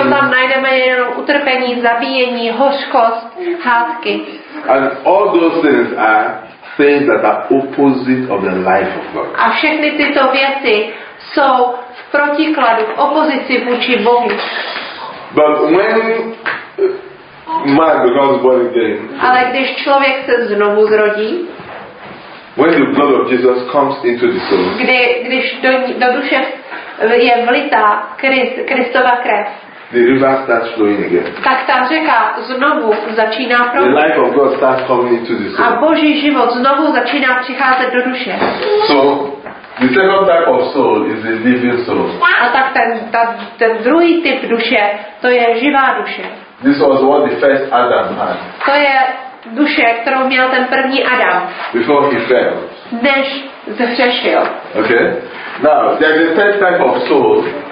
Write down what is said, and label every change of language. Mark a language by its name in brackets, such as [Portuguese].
[Czech] To tam najdeme jenom utrpení, zabíjení, hořkost, hádky. [English] And all those things are things that are opposite of the life of God. [Czech] A všechny tyto věci jsou protikladu, opozici vůči Bohu. [English] But when man becomes born again. [Czech] Ale když člověk se znovu zrodí. [English] When the blood of Jesus comes into the soul. [Czech] Když do duše je vlita Kristova krev. [English] The river starts flowing again. [Czech] Tak ta řeka znovu začíná proudit. [English] The life of God starts coming into the soul. [Czech] A Boží život znovu začíná přicházet do duše. [English] So the second type of soul is a living soul. [Czech] A tak ten druhý typ duše, to je živá duše. [English] This was what the first Adam had. [Czech] To je duše, kterou měl ten první Adam. [English] Before he fell. [Czech] Než zhřešil. [English] Okay. Now there's a third type of soul.